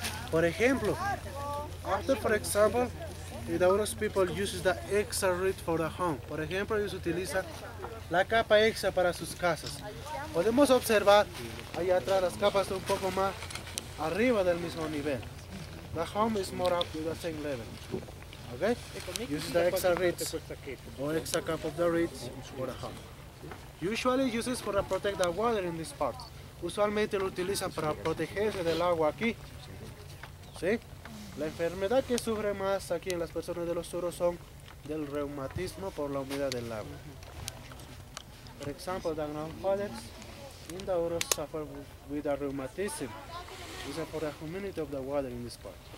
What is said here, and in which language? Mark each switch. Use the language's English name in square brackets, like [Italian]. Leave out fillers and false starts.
[Spanish] Por ejemplo, [English] after, for example, the Touros people use the extra reed for the home. [Spanish] Por ejemplo, ellos utilizan la capa extra para sus casas. Podemos observar allá atrás las capas un poco más arriba del mismo nivel. [English] The home is more up to the same level. Okay? Use the extra reeds or extra cap of the reeds for the home. Usually uses for the protect the water in this part. [Spanish] Usualmente lo utilizan para protegerse del agua aquí, ¿sí? La enfermedad que sufre más aquí en las personas de los Touros son del reumatismo por la humedad del agua. [English] For example, the grandfathers in the Touros suffer with a rheumatism. It's for the humidity of the water in this part.